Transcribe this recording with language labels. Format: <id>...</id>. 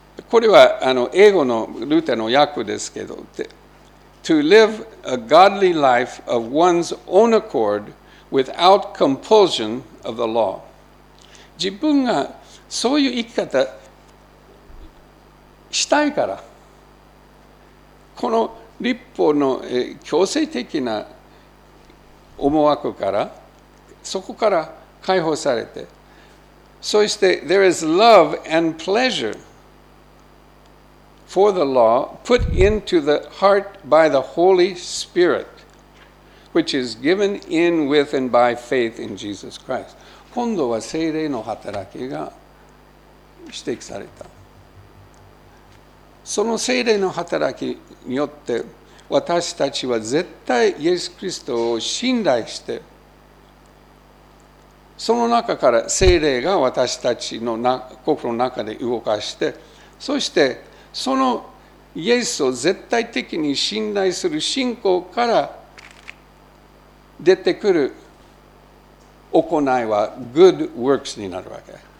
<ja>これは英語のルーテの訳ですけど、</ja> <en>To live a godly life of one's own accord without compulsion of the law.</en> <ja>自分がそういう生き方したいから、この律法の強制的な思惑からそこから解放されて、そして</ja> <en>There is love and pleasure for the law put into the heart by the Holy Spirit which is given in with and by faith in Jesus Christ.</en> <ja>今度は聖霊の働きが指摘された。その聖霊の働きによって私たちは絶対イエス・キリストを信頼して、その中から聖霊が私たちの心の中で動かして、そしてそのイエスを絶対的に信頼する信仰から出てくる行いは good works になるわけ。</ja>